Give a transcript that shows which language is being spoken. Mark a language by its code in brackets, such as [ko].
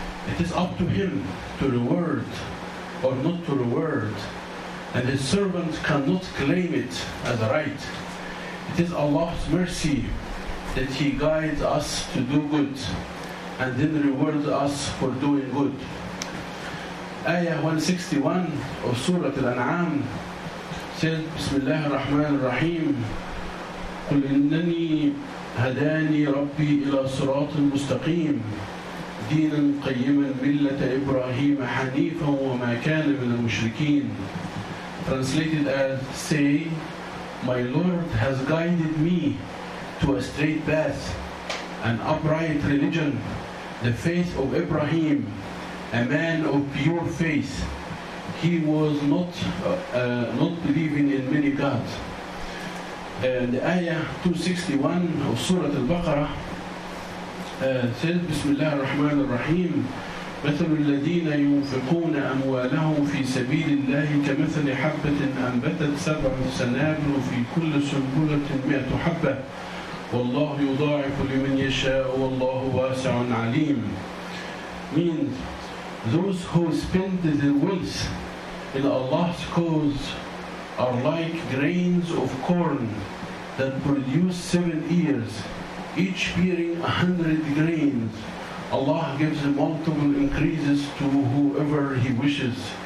[en] It is up to him to reward or not to reward, and his servant cannot claim it as a right. It is Allah's mercy that he guides us to do good and then rewards us for doing good. Ayah 161 of Surah Al-An'am [ar] said, Bismillah ar-Rahman ar-Rahim, قُلْ إِنَّنِي هَدَانِي رَبِّي إِلَى صِرَاطٍ مُسْتَقِيمٍ دِينًا قَيِّمًا مِلَّةَ إِبْرَاهِيمَ حَنِيفًا وَمَا كَانَ مِنَ الْمُشْرِكِينَ. [en] Translated as, say, my Lord has guided me to a straight path, an upright religion, the faith of Ibrahim, a man of pure faith. He was not believing in many gods. And ayah 261 of Surah Al-Baqarah says, [ar] Bismillah ar-Rahman ar-Rahim, مَثَلُ الَّذِينَ يُنْفِقُونَ أَمْوَالَهُمْ فِي سَبِيلِ اللَّهِ كَمَثَلِ حَبَّةٍ أَنْبَتَتْ سَبْعَ سَنَابِلَ فِي كُلِّ سُنْبُلَةٍ مِئَةُ حَبَّةٍ وَاللَّهُ يُضَاعِفُ لِمَنْ يَشَاءُ وَاللَّهُ وَاسِعٌ عَلِيمٌ. [en] Means, those who spend their wealth in Allah's cause are like grains of corn that produce 7 ears, each bearing 100 grains. Allah gives multiple increases to whoever He wishes.